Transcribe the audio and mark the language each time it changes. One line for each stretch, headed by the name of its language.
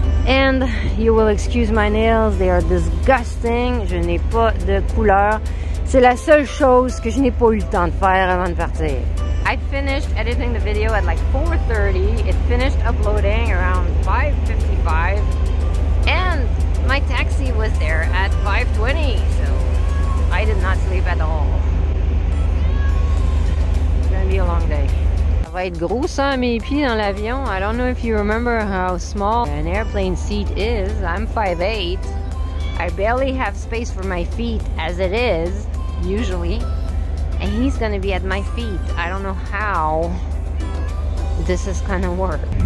English: And you will excuse my nails, they are disgusting.
French: Je n'ai pas de couleur. C'est la seule chose que je n'ai pas eu le temps de faire avant de partir.
English: I finished editing the video at like 4:30. It finished uploading around 5:55. And my taxi was there at 5:20. So I did not sleep at all. It's gonna be a long day.
French: Ça va être gros ça, mes pieds dans l'avion.
English: I don't know if you remember how small an airplane seat is. I'm 5'8". I barely have space for my feet as it is, usually. And he's gonna be at my feet. I don't know how this is gonna work.